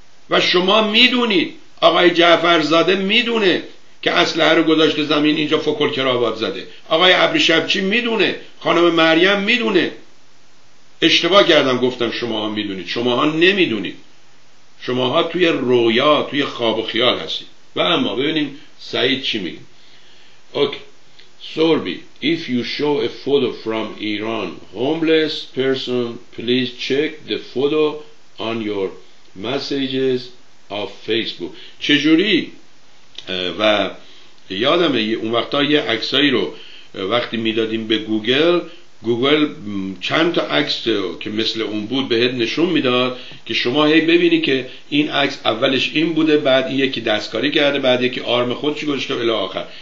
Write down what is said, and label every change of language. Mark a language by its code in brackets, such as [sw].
[fa] و شما میدونید آقای جعفرزاده میدونه که اسلحه رو گذاشته زمین اینجا فکر کراوات زده، آقای ابریشمچی میدونه، خانم مریم میدونه. اشتباه کردم گفتم شماها میدونید، شماها نمیدونید، شماها توی رویا توی خواب و خیال هستید. و اما ببینیم سعید چی میگه. [en] Okay سوربی، if you show a photo from Iran homeless person please check the photo on your messages of Facebook. [fa] چجوری؟ و یادمه اون وقتا یه عکسایی رو وقتی میدادیم به گوگل، گوگل چند تا عکس که مثل اون بود بهت نشون میداد که شما هی ببینی که این عکس اولش این بوده، بعد یکی دستکاری کرده، بعد یکی آرم خودش گذاشته الی آخر.